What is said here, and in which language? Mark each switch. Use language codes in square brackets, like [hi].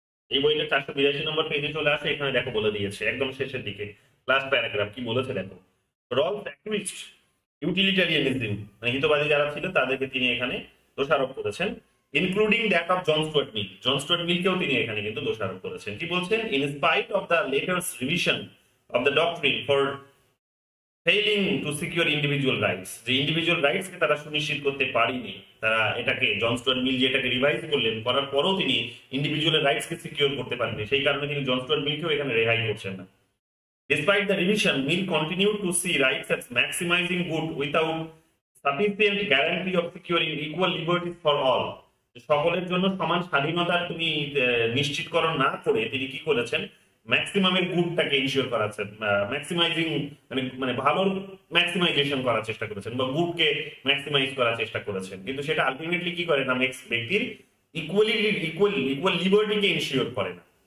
[bn] এই বইটা 482 নম্বর পেজে চলে আসো, এখানে দেখো বলে দিয়েছে একদম শেষের দিকে লাস্ট প্যারাগ্রাফ কি বলেছে দেখো, রলস অ্যাকুইস্ট ইউটিলিটারিয়ানিজম মানে হিতবাদী যারা ছিল তাদেরকে তিনি এখানে দোষারোপ করেছেন, [en] including that of John Stuart Mill, [bn] John Stewart মিলকেও তিনি এখানে কিন্তু দোষারোপ করেছেন, কি বলছেন, [en] in spite of the latter's revision of the doctrine for failing to secure individual rights, [bn] যে ইন্ডিভিজুয়াল রাইটস কে তারা সুনিশ্চিত করতে পারিনি, তারা এটাকে জন স্টুয়ার্ট মিল যেটাকে রিভাইজ করলেন করার পরও তিনি ইন্ডিভিজুয়াল রাইটস কে সিকিউর করতে পারেননি, সেই কারণে তিনি জন স্টুয়ার্ট মিলকেও এখানে রেহাই করছেন না। [en] Despite the revision, Mill continued to see rights as maximizing good without sufficient guarantee of securing equal liberties for all. [bn] সকলের জন্য সমান স্বাধীনতা তুমি নিশ্চিতকরণ না করে তিনি কি করেছেন, ম্যাক্সিমামের গুডটাকে ইনশিওর করাচ্ছেন, ম্যাক্সিমাইজিং মানে মানে ভালোর ম্যাক্সিমাইজেশন করার চেষ্টা করেছেন বা গুডকে ম্যাক্সিমাইজ করার চেষ্টা করেছেন, কিন্তু সেটা আলটিমেটলি কি করে না, নেক্সট ব্যক্তির ইকুয়ালিটি ইকুয়াল ইকুয়াল লিবার্টিকে ইনশিওর করে না।